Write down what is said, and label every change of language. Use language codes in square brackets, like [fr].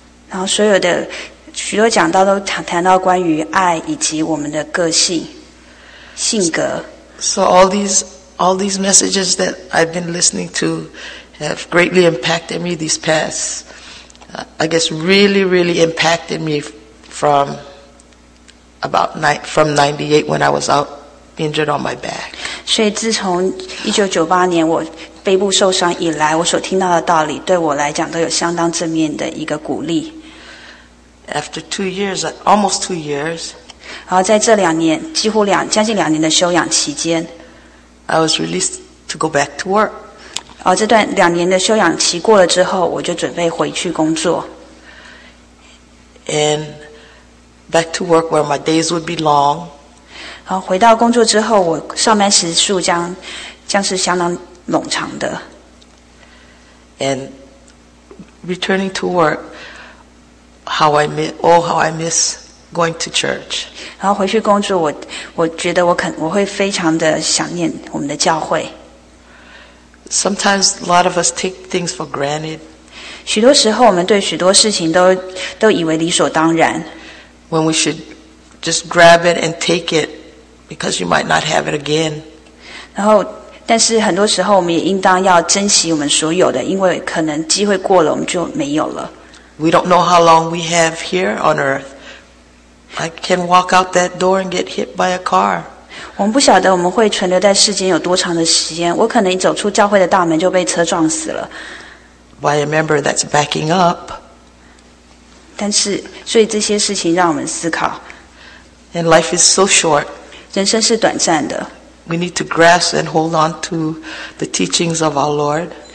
[zh] 然后所有的许多讲到都谈到关于爱以及我们的个性、性格。 [en] So all these messages that I've been listening to have greatly impacted me these past, I guess really, really impacted me from about from 98 when I was out injured on my back. [zh] 所以自从1998年我背部受伤以来，我所听到的道理对我来讲都有相当正面的一个鼓励。 [en] After 2 years, almost 2 years, [zh] 然后在这两年，几乎两将近两年的休养期间 [en] ，I was released to go back to work. [zh] 然后这段两年的休养期过了之后，我就准备回去工作。 [en] And back to work where my days would be long. [zh] 然后回到工作之后，我上班时数将是相当冗长的。 [en] And returning to work. How I miss going to church. [zh] 然后回去工作，我觉得我会非常的想念我们的教会。 [en] Sometimes a lot of us take things for granted. [zh] 许多时候，我们对许多事情都以为理所当然。 [en] When we should just grab it and take it, because you might not have it again. [zh] 然后，但是很多时候，我们也应当要珍惜我们所有的，因为可能机会过了，我们就没有了。 [en] We don't know how long we have here on earth. I can walk out that door and get hit by a car. [zh] 我们不晓得我们会存留在世间有多长的时间。我可能走出教会的大门就被车撞死了。 [en] By a member that's backing up. [zh] 但是，所以这些事情让我们思考。 [en] And life is so short. [zh] 人生是短暂的。 [en] We need to grasp and hold on to the teachings of our Lord.